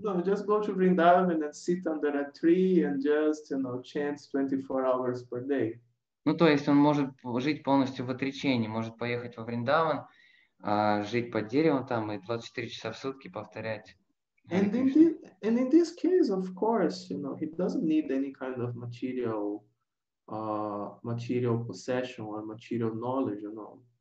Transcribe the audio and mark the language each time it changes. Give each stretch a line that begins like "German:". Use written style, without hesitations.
English: No, just go to Vrindavan and sit under a tree and just, you know, chant 24 hours per day.
Russian: Ну, то есть он может жить полностью в отречении, может поехать во Вриндаван, жить под деревом там и 24 часа в сутки повторять.
English: And in this case, of course, you know, he doesn't need any kind of material possession or material knowledge, you know.